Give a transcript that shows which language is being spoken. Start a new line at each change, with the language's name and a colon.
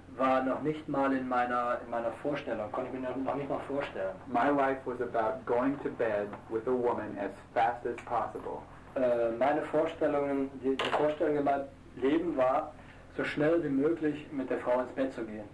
German: War noch nicht mal in meiner Vorstellung, konnte ich mir noch nicht mal vorstellen.
English: My life was about going to bed with a woman as fast as possible.
German: Die Vorstellung in meinem Leben war, so schnell wie möglich mit der Frau ins Bett zu gehen.